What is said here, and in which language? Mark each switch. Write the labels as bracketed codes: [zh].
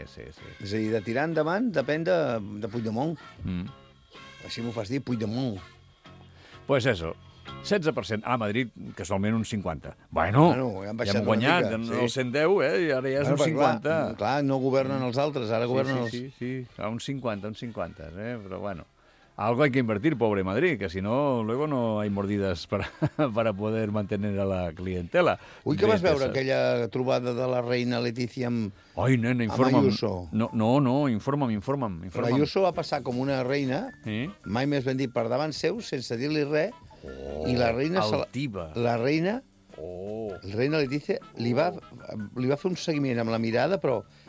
[ca] És a dir, de tirar endavant depèn de Puigdemont. Mm. Així m'ho fas dir, Puigdemont. [es] Pues eso, [ca] 16%. Ah, Madrid, casualment, un 50%. Bueno, ja hem baixat ja hem guanyat una mica, sí. El 110, eh? I ara ja és un 50%. Clar, no governen els altres, ara governen els... Sí, un 50%, un 50%, eh? Però bueno... [es] Algo hay que invertir, pobre Madrid, que si no, luego no hay mordidas para poder mantener a la clientela. [ca] Ui, que vas veure aquella trobada de la reina Letícia amb Ayuso. Ai, nena, informa'm. No, informa'm. Ayuso va passar com una reina, sí? Mai més ben dit, per davant seu, sense dir-li res. Oh, i la reina altiva. La reina, oh. La reina Letícia, li va fer un seguiment amb la mirada, però...